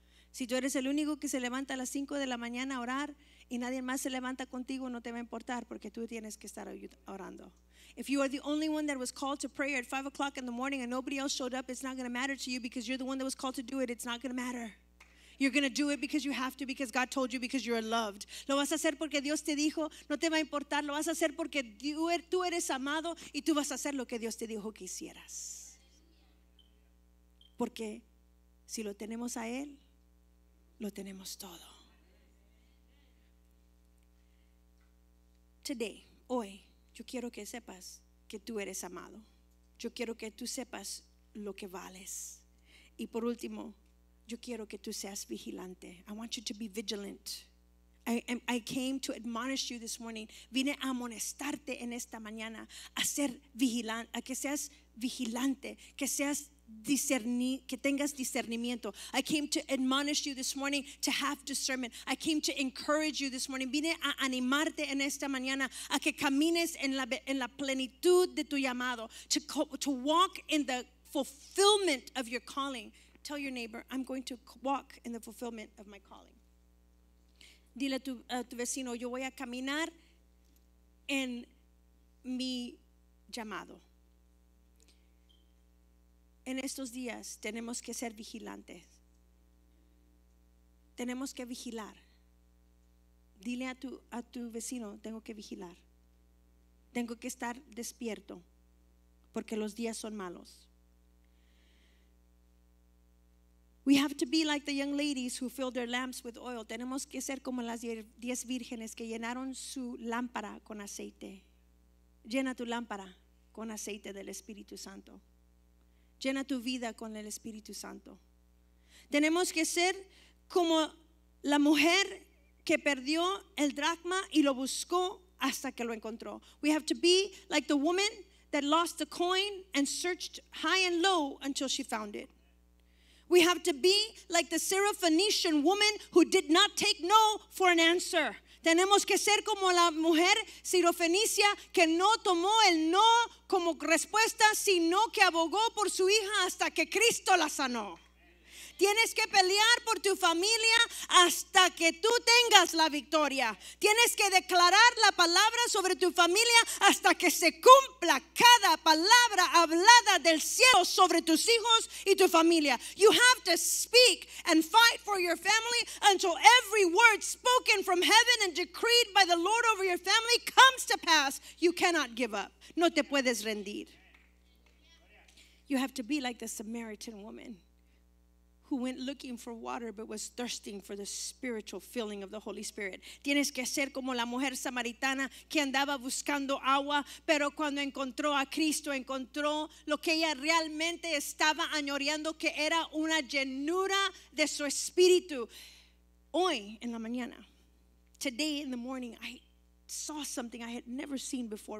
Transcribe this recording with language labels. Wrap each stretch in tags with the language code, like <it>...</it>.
<es>Si tú eres el único que se levanta a las 5 de la mañana a orar y nadie más se levanta contigo, no te va a importar, porque tú tienes que estar orando.</es> <en>If you are the only one that was called to prayer at 5 o'clock in the morning and nobody else showed up, it's not going to matter to you because you're the one that was called to do it. It's not going to matter. You're going to do it because you have to, because God told you, because you're loved.</en> <es>Lo vas a hacer porque Dios te dijo, no te va a importar. Lo vas a hacer porque tú eres amado y tú vas a hacer lo que Dios te dijo que hicieras. Porque si lo tenemos a Él, lo tenemos todo. Today, hoy, yo quiero que sepas que tú eres amado. Yo quiero que tú sepas lo que vales. Y por último, yo quiero que tú seas vigilante.</es> <en>I want you to be vigilant. I came to admonish you this morning.</en> <es>Vine a amonestarte en esta mañana. A ser vigilante. A que seas vigilante. Que seas que tengas discernimiento.</es> <en>I came to admonish you this morning to have discernment. I came to encourage you this morning.</en> <es>Vine a animarte en esta mañana a que camines en la plenitud de tu llamado.</es> <en>To walk in the fulfillment of your calling. Tell your neighbor, I'm going to walk in the fulfillment of my calling.</en> <es>Dile a tu vecino, yo voy a caminar en mi llamado. En estos días tenemos que ser vigilantes. Tenemos que vigilar. Dile a tu vecino, tengo que vigilar. Tengo que estar despierto porque los días son malos.</es> <en>We have to be like the young ladies who filled their lamps with oil.</en> <es>Tenemos que ser como las 10 vírgenes que llenaron su lámpara con aceite. Llena tu lámpara con aceite del Espíritu Santo. Llena tu vida con el Espíritu Santo. Tenemos que ser como la mujer que perdió el dracma y lo buscó hasta que lo encontró.</es> <en>We have to be like the woman that lost the coin and searched high and low until she found it. We have to be like the Syrophoenician woman who did not take no for an answer.</en> <es>Tenemos que ser como la mujer sirofenicia que no tomó el no como respuesta, sino que abogó por su hija hasta que Cristo la sanó. Tienes que pelear por tu familia hasta que tú tengas la victoria. Tienes que declarar la palabra sobre tu familia hasta que se cumpla cada palabra hablada del cielo sobre tus hijos y tu familia.</es> <en>You have to speak and fight for your family until every word spoken from heaven and decreed by the Lord over your family comes to pass. You cannot give up.</en> <es>No te puedes rendir.</es> <en>You have to be like the Samaritan woman who went looking for water but was thirsting for the spiritual filling of the Holy Spirit.</en> <es>Tienes que ser como la mujer samaritana que andaba buscando agua, pero cuando encontró a Cristo, encontró lo que ella realmente estaba añoreando, que era una llenura de su espíritu. Hoy en la mañana,</es> <en>today in the morning, I saw something I had never seen before.</en>